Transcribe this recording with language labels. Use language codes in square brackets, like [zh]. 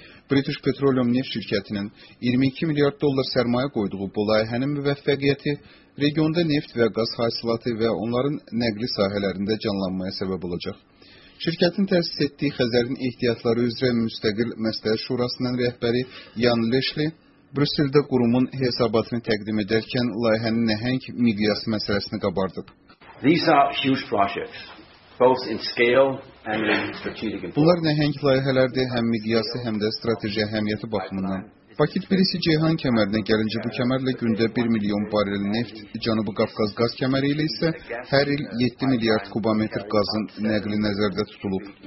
[az] British Petroleum neft şirkətinin 22 milyard dollar sərmayə qoyduğu bu layihənin müvəffəqiyyəti regionda neft və qaz hasilatı və onların nəqli sahələrində canlanmaya səbəb olacaq. Şirkətin təsis etdiyi Xəzərin ehtiyatları üzrə müstəqil məsləhət şurasının rəhbəri Jan Leşli Brüsseldə qurumun hesabatını təqdim edərkən layihənin nəhəng miqyası məsələsini qabardıb. [en] These are huge projects, both in scale and in strategic importance. [az] Bunlar nəhəng layihələrdir, həm miqyası, həm də strateji əhəmiyyəti baxımından. Paket birisi Ceyhan kəmərinə gəlincə bu kəmərlə gündə 1 milyon barrel neft, Cənubi Qafqaz qaz kəməri ilə isə hər il 7 milyard kubometr qazın nəqli nəzərdə tutulub.